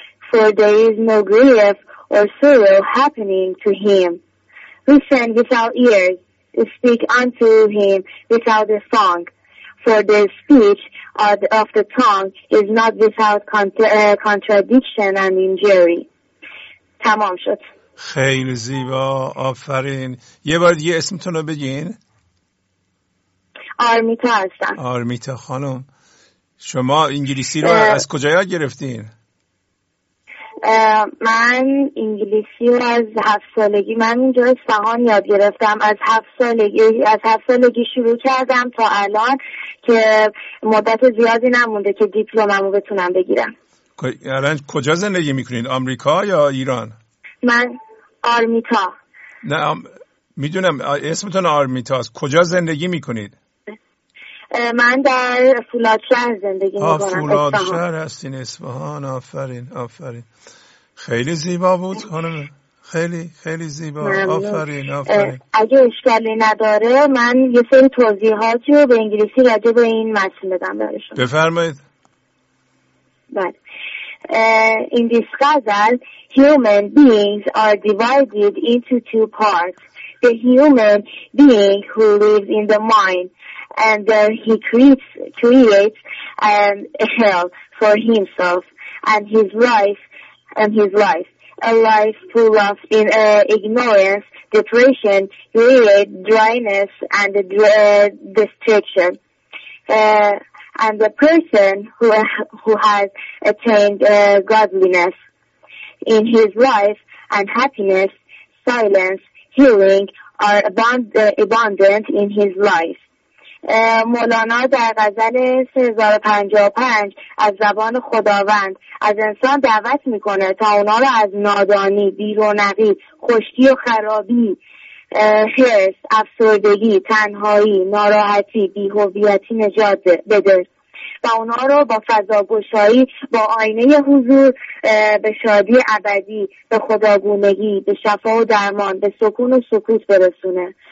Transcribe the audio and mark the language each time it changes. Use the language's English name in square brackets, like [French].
[English] For there is no grief or sorrow happening to him. Listen without ears, speak unto him without a song. For the speech of the tongue is not without contradiction and injury. [Persian] تمام شد. خیلی زیبا، آفرین. یه بار دیگه اسمتون رو بگین. آرمیتا هستم. آرمیتا خانم، شما انگلیسی رو از کجا یاد گرفتین؟ من انگلیسی رو از 7 سالگی، من اینجا اصفهان یاد گرفتم، از هفت سالگی شروع کردم تا الان که مدت زیادی نمونده که دیپلممو بتونم بگیرم. الان کجا زندگی میکنین؟ آمریکا یا ایران؟ من آرمیتا. نه میدونم اسمتون آرمیتا است. کجا زندگی میکنید؟ من در فولادشهر زندگی میکنم. فولادشهر هستین، اصفهان. آفرین آفرین، خیلی زیبا بود خانم، خیلی خیلی زیبا. آفرین آفرین. اگه اشکالی نداره من یه سری توضیحاتی رو به انگلیسی راجع به این متن بدم براتون. بفرمایید. بله. [English] In this ghazal, human beings are divided into two parts. The human being who lives in the mind, and he creates a hell for himself and his life, a life full of ignorance, depression, greed, dryness, and destruction. And the person who has attained godliness in his life and happiness, silence, healing are abundant in his life. [Persian] مولانا در غزل 3055 از زبان خداوند از انسان دعوت میکنه تا اونا رو از نادانی، بیرونقی، خشکی و خرابی، حرص، افسردگی، تنهایی، ناراحتی، بی‌هویتی نجات بده و اونا رو با فضاگشایی، با آینه حضور به شادی ابدی، به خداگونگی، به شفا و درمان، به سکون و سکوت برسونه.